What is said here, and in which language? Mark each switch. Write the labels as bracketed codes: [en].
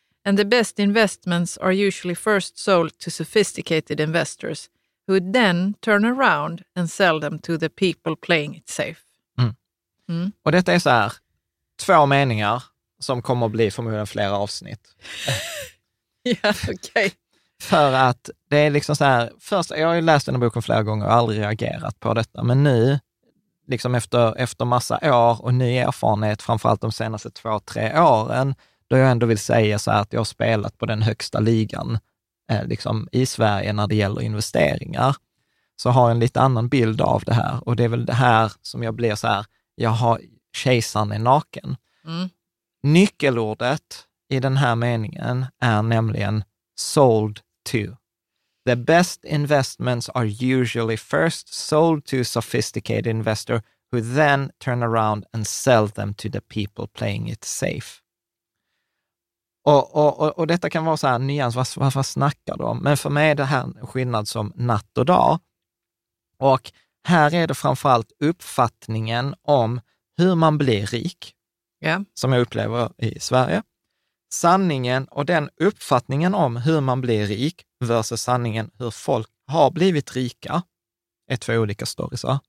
[en] And the best investments are usually first sold to sophisticated investors, who then turn around and sell them to the people playing it safe. Mm. Mm. [sv] Och detta är så här, två meningar som kommer att bli förmodligen flera avsnitt. Ja, okej. För att det är liksom så här, först, jag har ju läst den här boken flera gånger och aldrig reagerat på detta. Men nu, liksom efter massa år och ny erfarenhet, framförallt de senaste 2-3 åren, då jag ändå vill säga så här att jag har spelat på den högsta ligan liksom i Sverige när det gäller investeringar, så har jag en lite annan bild av det här. Och det är väl det här som jag blir så här, jag har kejsaren är naken. Mm. Nyckelordet i den här meningen är nämligen [en] sold to. The best investments are usually first sold to a sophisticated investor who then turn around and sell them to the people playing it safe. [sv] Och detta kan vara så här nyans, vad snackar du om? Men för mig är det här skillnad som natt och dag. Och här är det framförallt uppfattningen om hur man blir rik, [en] yeah, [sv] som jag upplever i Sverige. Sanningen och den uppfattningen om hur man blir rik versus sanningen hur folk har blivit rika är två olika stories.